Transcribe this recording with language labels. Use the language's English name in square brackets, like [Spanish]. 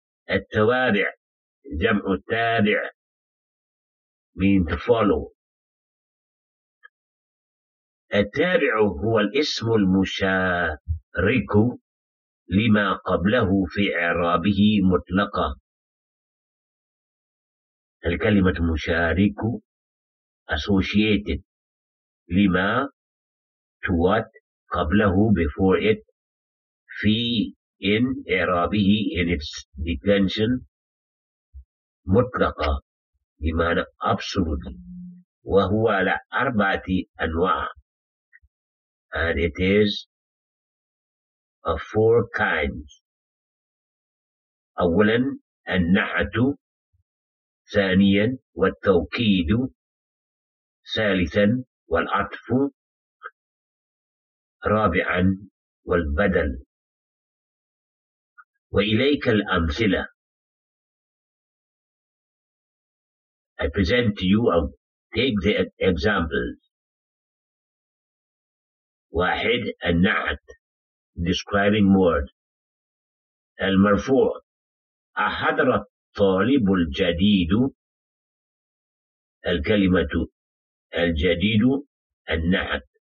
[Arabic] التوابع جمع تابع [English] mean to follow. [Arabic] التابع هو الاسم المشارك لما قبله في إعرابه مطلقة. [English] الكلمة مشارك associated لما to what قبله before it في in إعرابه in its declension [Arabic] مطلقة بمعنى [English] absolutely. [Arabic] وهو على أربعة أنواع [English] and it is of four kinds. [Arabic] أولا النحت، ثانيا والتوكيد، ثالثا والعطف، رابعا والبدل. وإليك الأمثلة. [English] I present to you, take the examples. [Arabic] واحد النعت، [English] describing word. [Arabic] المرفوع، أحضر الطالب الجديد، الكلمة الجديد النعت.